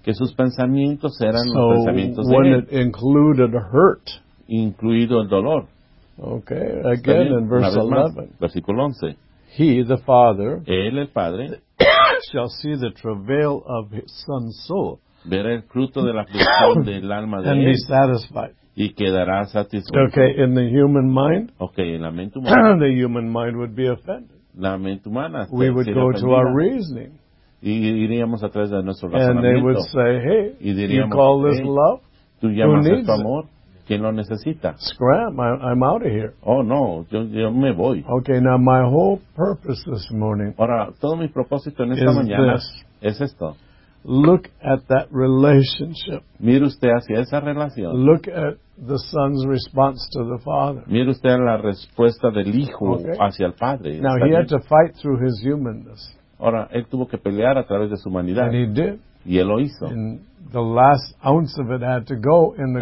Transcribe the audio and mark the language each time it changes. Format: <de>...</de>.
<es>Que sus pensamientos eran</es> <en>so</en> <es>los pensamientos de</es> <en>when</en> <es>él.</es> <en>It included hurt.</en> <es>Incluido el dolor.</es> <en>Okay, again in verse 11.</en> <es>Versículo 11.</es> <en>He, the Father,</en> <es>él, el Padre,</es> <en>shall see the travail of his son's soul.</en> <es>Verá el fruto de la aflicción del alma de</es> <en>and</en> <es>él.</es> <en>Be satisfied.</en> <es>Y quedará satisfecho.</es> <en>Okay, in the human mind.</en> <es>Okay, en la mente humana.</es> <en>The human mind would be offended.</en> <es>La mente humana.</es> <en>We would go to our reasoning.</en> <es>Y iríamos a través de nuestro</es> <en>and</en> <es>razonamiento.</es> <en>And they would say, hey,</en> <es>y diríamos,</es> <en>you call this hey, love?</en> <es>Tú llamas</es> <en>who needs</en> <es>esto amor? ¿Quién lo necesita?</es> <en>Scram, I'm out of here.</en> <es>Oh, no, yo me voy.</es> <en>Okay, now my whole purpose this morning.</en> <es>Ahora, todo mi propósito en esta mañana</es> <en>this.</en> <es>Es esto.</es> <en>Look at that relationship.</en> <es>Mire usted hacia esa relación.</es> <en>Look at the son's response to the father.</en> <es>Mire usted la respuesta del hijo okay. Hacia el padre.</es> <en>Now he had to fight through his humanness.</en> <es>Ahora él tuvo que pelear a través de su humanidad.</es> <en>And he did.</en> <es>Y él lo hizo.</es> <en>And the last ounce of it had to go in the</en>